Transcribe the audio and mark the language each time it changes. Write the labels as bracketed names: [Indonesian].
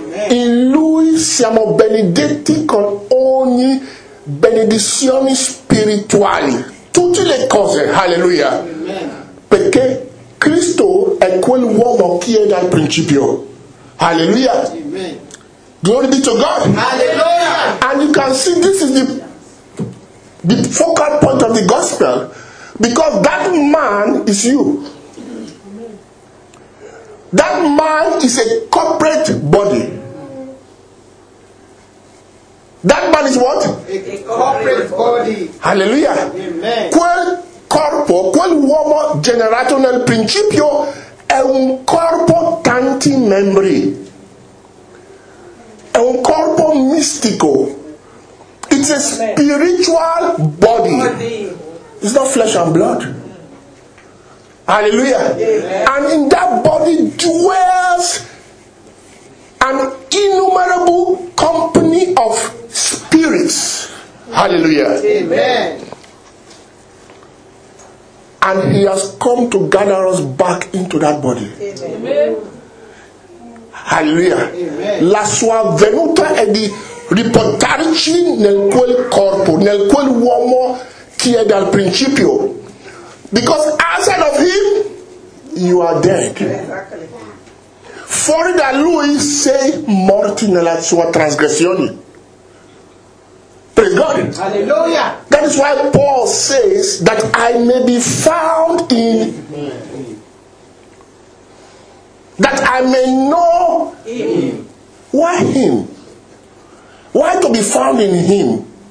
[Italian] In lui siamo benedetti con ogni benedizione spirituale, tutte le cose. Hallelujah. Perché Cristo è quel uomo che è dal principio. Hallelujah. Amen. [English] Glory be to God. Hallelujah. And you can see this is the focal point of the gospel, because that man is you. That man is a corporate body. That man is what? A corporate body. Hallelujah. Amen. [Italian] Quel corpo, quel uomo generato nel principio, è un corpo tanti membri. È un corpo mistico. [English] It's a spiritual body. It's not flesh and blood. Hallelujah. Amen. And in that body dwells an innumerable company of spirits. Hallelujah. Amen. And he has come to gather us back into that body. Amen. Hallelujah. Amen. [Italian] La sua venuta è di riportarci nel quel corpo, nel quel uomo che è dal principio. [English] Because outside of him, you are dead. [Italian] Fuori da lui sei morti nella sua trasgressione. [English] Praise God. Hallelujah. That is why Paul says that I may be found in, that I may know why him. Why to be found in him?